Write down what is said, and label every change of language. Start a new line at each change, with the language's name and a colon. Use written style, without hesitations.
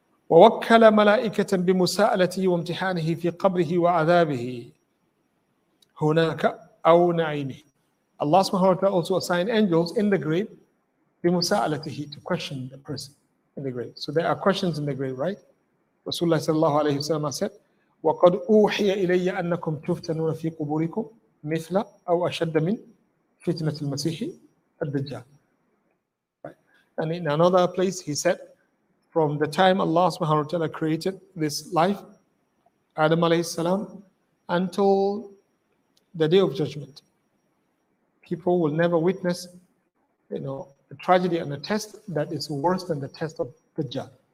Arabic: وَوَكَّلَ مَلَائِكَةً بِمُسَاءَلَتِهِ وَامْتِحَانِهِ فِي قَبْرِهِ وَعَذَابِهِ هُنَاكَ أَوْ نَعِيمِهِ.
English: Allah subhanahu wa ta'ala also assigned angels in the grave بِمُسَاءَلَتِهِ, to question the person in the grave. So there are questions in the grave, right?
Arabic: Rasulullah sallallahu alayhi wa sallam
English: said,
Arabic: وَقَدْ أُوحِيَ إِلَيَّ أَنَّكُمْ تُفْتَنُونَ فِي قُبُورِكُمْ مِثْلَ أَوْ أَشَدَّ مِنْ فِتْنَةِ الْمَسِيحِ الدَّجَّالِ.
English: Right. And in another place he said, from the time Allah subhanahu wa ta'ala created this life, Adam alayhi salam, until the day of judgment, people will never witness, you know, a tragedy and a test that is worse than the test of Dajjal.